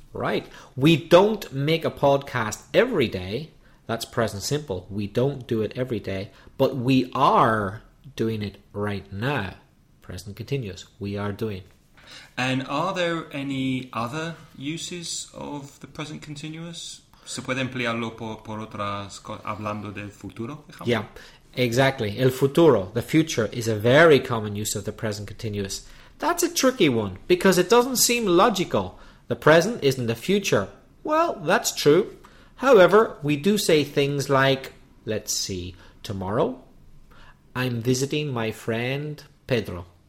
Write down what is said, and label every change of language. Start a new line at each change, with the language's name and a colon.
English: Right. We don't make a podcast every day. That's present simple. We don't do it every day, but we are doing it right now. Present continuous. We are doing. And are there any other uses of the present continuous?
Spanish: Se puede emplearlo por otras cosas, hablando del futuro, ejemplo?
English: Yeah, exactly.
Spanish: El futuro,
English: the future, is a very common use of the present continuous. That's a tricky one because it doesn't seem logical. The present isn't the future. Well, that's true. However, we do say things like, let's see, tomorrow, I'm visiting my friend Pedro.